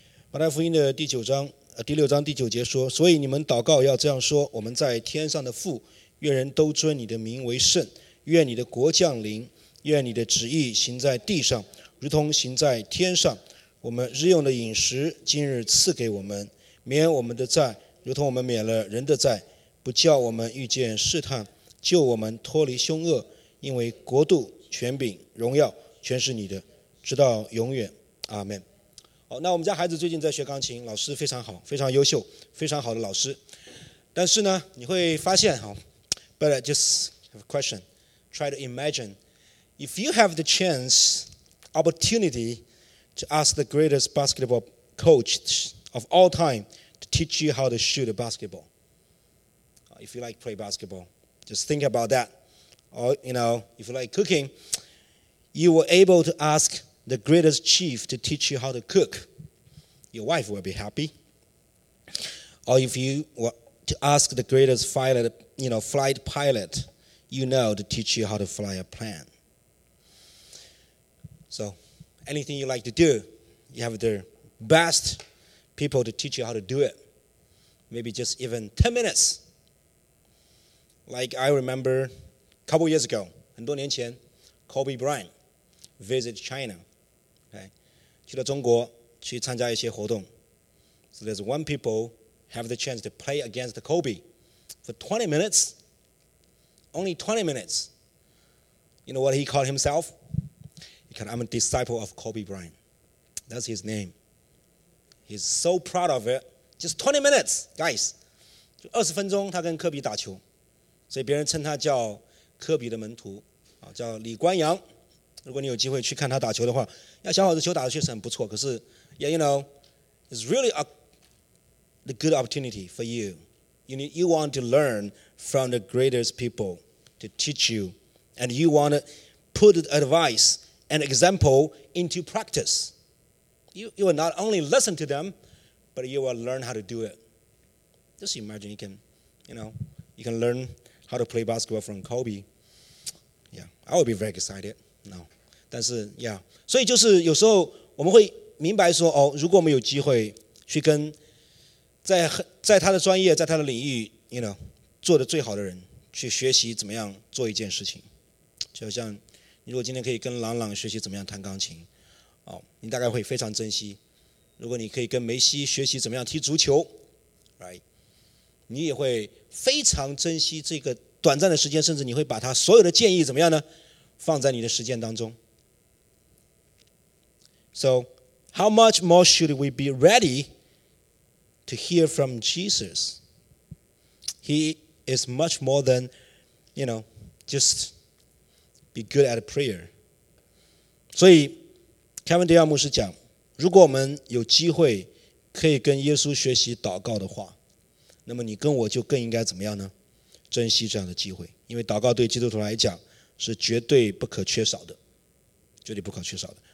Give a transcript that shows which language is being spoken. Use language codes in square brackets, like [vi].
[zh] 马太福音的第九章第六章第九节说，所以你们祷告要这样说，我们在天上的父，愿人都尊你的名为圣，愿你的国降临，愿你的旨意行在地上如同行在天上，我们日用的饮食今日赐给我们，免我们的债如同我们免了人的债，不叫我们遇见试探，救我们脱离凶恶，因为国度权柄荣耀全是你的，直到永远，阿们。好，那我们家孩子最近在学钢琴，老师非常好，非常优秀，非常好的老师。但是呢，你会发现哈 ， [en] But I just have a question. Try to imagine if you have the chance, opportunity to ask the greatest basketball coach of all time to teach you how to shoot a basketball. If you like play basketball, just think about that. Or you know, if you like cooking, you were able to ask. The greatest chief to teach you how to cook, your wife will be happy. Or if you were to ask the greatest pilot, you know, flight pilot, you know, to teach you how to fly a plane. So, anything you like to do, you have the best people to teach you how to do it. Maybe just even 10 minutes. Like I remember a couple years ago, [zh] 很多年前, [en] Kobe Bryant visited China. [zh] 去了中国去参加一些活动。 [en] So there's one people have the chance to play against Kobe for 20 minutes. Only 20 minutes. You know what he called himself? He called, I'm a disciple of Kobe Bryant. That's his name. He's so proud of it. Just 20 minutes, guys. [zh] 就20分钟他跟科比打球。所以别人称他叫科比的门徒，叫李冠阳。如果你有机会去看他打球的话，那小伙子球打的确实很不错。可是 ， [en] yeah, you know, it's really the good opportunity for you. You want to learn from the greatest people to teach you, and you want to put advice and example into practice. You will not only listen to them, but you will learn how to do it. Just imagine you can learn how to play basketball from Kobe. Yeah, I will be very excited. [zh] No, 但是 yeah, 所以就是有时候我们会明白说，哦，如果我们有机会去跟在他的专业，在他的领域 [en] you know, [zh] 做得最好的人去学习怎么样做一件事情，就像你如果今天可以跟朗朗学习怎么样弹钢琴，哦，你大概会非常珍惜。如果你可以跟梅西学习怎么样踢足球， right, 你也会非常珍惜这个短暂的时间，甚至你会把他所有的建议怎么样呢放在你的实践当中。 [en] So how much more should we be ready to hear from Jesus? He is much more than, you know, just be good at prayer. [zh] 所以 Kevin Dale 牧师讲，如果我们有机会可以跟耶稣学习祷告的话，那么你跟我就更应该怎么样呢？珍惜这样的机会，因为祷告对基督徒来讲是绝对不可缺少的，绝对不可缺少的。